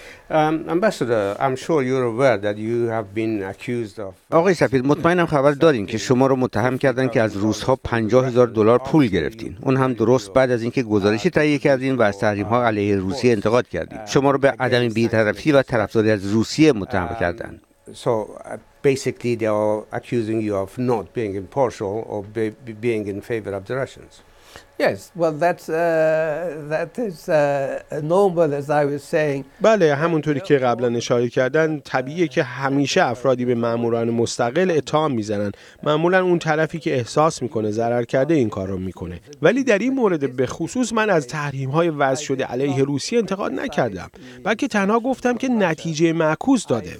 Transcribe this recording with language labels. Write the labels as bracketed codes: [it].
[en] Ambassador, I'm sure you're aware that you have been accused of. [fa] آقای سفیر، مطمئنم خبر دارین که شما رو متهم کردن که از روس‌ها $50,000 پول گرفتین. اون هم درست بعد از اینکه گزارشی تهیه کردین و از تحریم‌ها علیه روسیه انتقاد کردین. شما رو به عدم بی‌طرفی و طرفداری از روسیه متهم کردن. [en] So basically they are accusing you of not being impartial or being in favor of the Russians. Yes, well, that is normal, as I was saying. [fa] بله، همونطوری که قبلا اشاره کردن، طبیعیه که همیشه افرادی به ماموران مستقل اتهام میزنن. معمولا اون طرفی که احساس میکنه ضرر کرده این کار رو میکنه. ولی در این مورد به خصوص من از تحریم‌های وضع شده علیه روسیه انتقاد نکردم، بلکه تنها گفتم که نتیجه معکوس داده.